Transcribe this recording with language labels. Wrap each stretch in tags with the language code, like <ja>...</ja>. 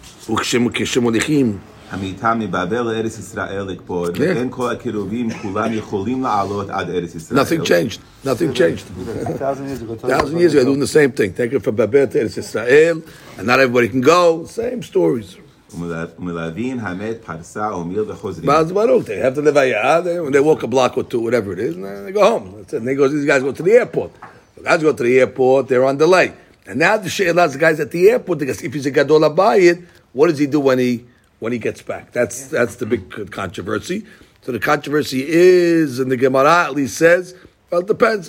<en>Nothing changed. 1,000 years ago, they're doing the same thing. Take it from Babel to Eretz Israel, and not everybody can go. Same stories.</en> <he>ומלווים המת פרסה ומיל וחוזרים. מה זה ברור?</he> <en>They have to live a year. When they walk a block or two, whatever it is, and they go home. That's it. And they go, these guys go to the airport. The guys go to the airport, they're on delay. And now the shayla is the guys at the airport, because if he's a gadol habayit, what does he do when he gets back? That's the big controversy. So the controversy is, and the Gemara at least says, well, it depends.</en>